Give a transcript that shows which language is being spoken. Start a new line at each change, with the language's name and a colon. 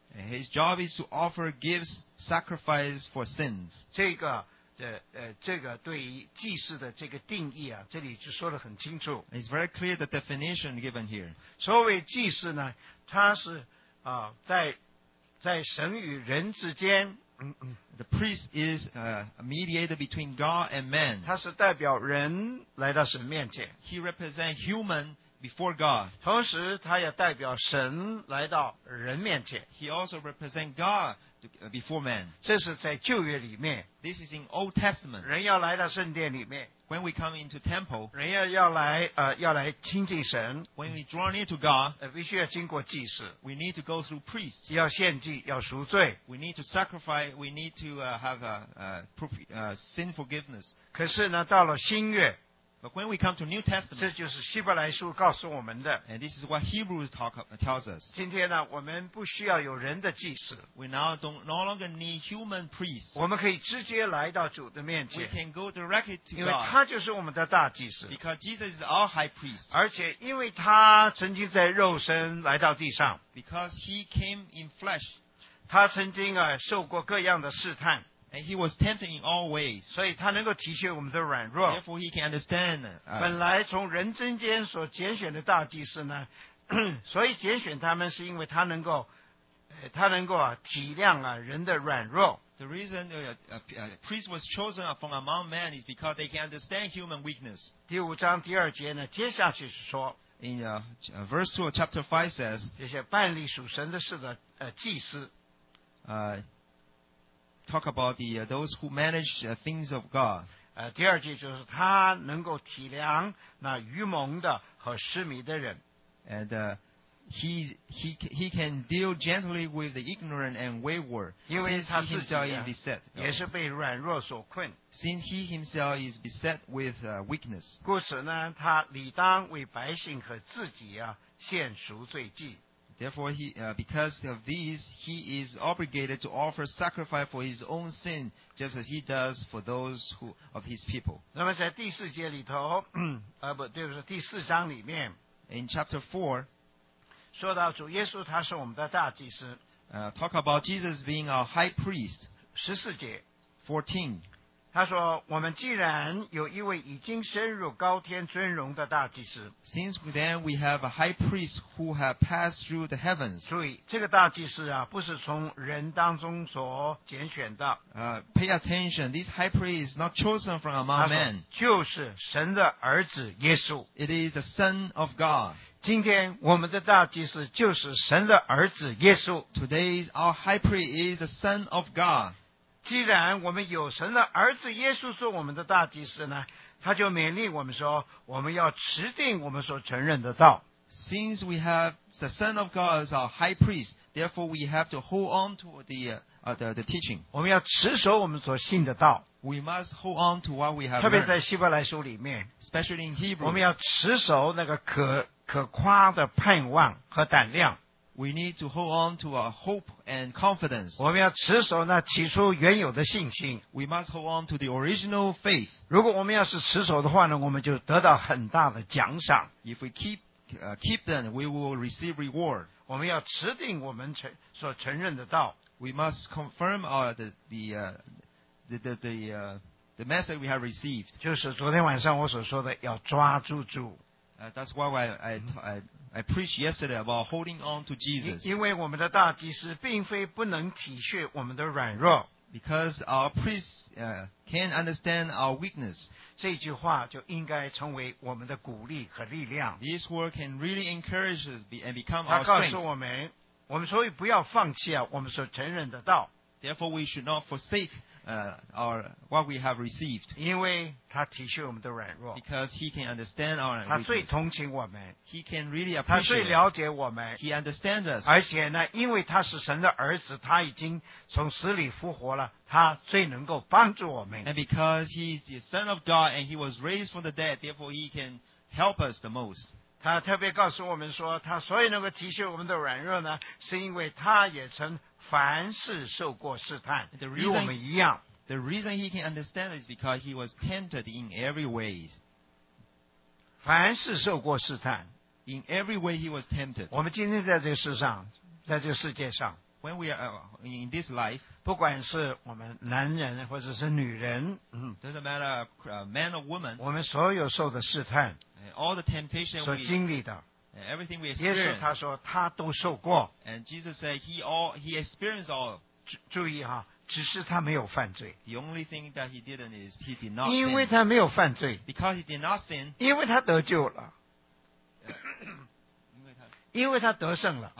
English: His job is to offer gifts, sacrifice for sins.
Chinese: 这个对于祭祀的这个定义啊，这里就说得很清楚。
English: It's very clear the definition given here.
Chinese: 所谓祭祀呢，它是啊，在神与人之间。
English: The priest is a mediator between God and man.
Chinese: 它是代表人来到神面前。
English: He represents human before God.
Chinese: 同时，它也代表神来到人面前。
English: He also represents God. Before man.
Chinese: 这是在旧约里面
English: This is in Old Testament.
Chinese: 人要来到圣殿里面
English: When we come into temple.
Chinese: 人要来亲近神
English: When we draw near to God.
Chinese: 必须要经过祭祀
English: We need to go through priests.
Chinese: 要献祭要赎罪
English: We need to sacrifice. We need to have sin forgiveness.
Chinese: 可是呢到了新约
English: But when we come to New Testament,
Chinese: 这就是希伯来书告诉我们的。
English: And this is what Hebrews tells us.
Chinese: 今天呢，我们不需要有人的祭司。
English: We now don't no longer need human priests.
Chinese: 我们可以直接来到主的面前。
English: We can go directly to God.
Chinese: 因为他就是我们的大祭司。
English: Because Jesus is our high priest.
Chinese: 而且因为他曾经在肉身来到地上。
English: Because he came in flesh.
Chinese: 他曾经啊受过各样的试探。
English: And he was tempted in all ways.
Chinese: 所以他能够体恤我们的软弱。
English: Therefore, he can understand.
Chinese: 本来从人中间所拣选的大祭司呢，所以拣选他们是因为他能够体谅啊人的软弱。
English: The reason a priest was chosen from among men is because they can understand human weakness.
Chinese: 第五章第二节呢，接下去是说。
English: In verse 2 of chapter 5 says.
Chinese: 这些办理属神的事的祭司。
English: Talk about those who manage things of God.
Chinese: 第二句就是他能够体谅那愚蒙的和失迷的人。
English: And he can deal gently with the ignorant and wayward.
Chinese: 因为他自己、
English: beset,
Chinese: 也是被软弱所困。
English: Since he himself is beset with weakness.
Chinese: 故此呢，他理当为百姓和自己啊献赎罪祭。
English: Therefore, because of these, he is obligated to offer sacrifice for his own sin, just as he does for those who of his people.
Chinese: 那么在第四节里头，第四章里面
English: ，in chapter 4,
Chinese: 说到主耶稣他是我们的大祭司。
English: Talk about Jesus being our high priest.
Chinese: 十四节
English: ，14,
Chinese: 他说我们既然有一位已经升入高天尊荣的大祭司
English: ，since then we have a high priest who has passed through the heavens.
Chinese: 注意，这个大祭司啊，不是从人当中所拣选的。
English: Pay attention. This high priest is not chosen from among men.
Chinese: 就是神的儿子耶稣。
English: It is the Son of God.
Chinese: 今天我们的大祭司就是神的儿子耶稣。
English: Today our high priest is the Son of God.
Chinese: 既然我们有神的儿子耶稣做我们的大祭司呢，他就勉励我们说，我们要持定我们所承认的道。
English: Since we have the Son of God as our high priest, therefore we have to hold on to the teaching.
Chinese: 我们要持守我们所信的道。
English: We must hold on to what we have.
Chinese: 特别在希伯来书里面
English: ，especially in Hebrew，
Chinese: 我们要持守那个可夸的盼望和胆量。
English: We need to hold on to our hope and confidence.
Chinese: 我们要持守那起初原有的信心。
English: We must hold on to the original faith.
Chinese: 如果我们要是持守的话呢，我们就得到很大的奖赏。
English: If we keep them, we will receive reward.
Chinese: 我们要持定我们所承认的道。
English: We must confirm the message we have received.
Chinese: 就是昨天晚上我所说的，要抓住主。
English: That's why I preached yesterday about holding on to Jesus.
Chinese: 因为我们的大祭司并非不能体恤我们的软弱。
English: Because our priest can understand our weakness.
Chinese: 这句话就应该成为我们的鼓励和力量。
English: This word can really encourage us and become our strength.
Chinese: 他告诉我们，我们所以不要放弃啊，我们所承认的道。
English: Therefore, we should not forsake what we have received.
Chinese: 因为他体恤我们的软弱。
English: Because he can understand our weakness.
Chinese: 他最同情我们。
English: He can really appreciate.
Chinese: 他最了解我们。
English: He understands us.
Chinese: 而且呢，因为他是神的儿子，他已经从死里复活了，他最能够帮助我们。
English: And because he is the Son of God and he was raised from the dead, therefore he can help us the most.
Chinese: 他特别告诉我们说，他所以能够体恤我们的软弱呢，是因为他也曾凡事受过试探，与我们一样。
English: The reason he can understand is because he was tempted in every way.
Chinese: 凡事受过试探。
English: In every way he was tempted.
Chinese: 我们今天在这个世上，在这个世界上。
English: When we are in this life,
Chinese: 不管是我们男人或者是女人，
English: doesn't matter man or woman,
Chinese: 我们所有受的试探
English: all the temptation
Chinese: 所经历的
English: everything we experience,
Chinese: 耶稣他说他都受过
English: and Jesus said he experienced all
Chinese: 注意哈，只是他没有犯罪
English: the only thing that he didn't is he did not sin,
Chinese: 因为他没有犯罪
English: because he did not sin,
Chinese: 因为他得救了因为他得胜了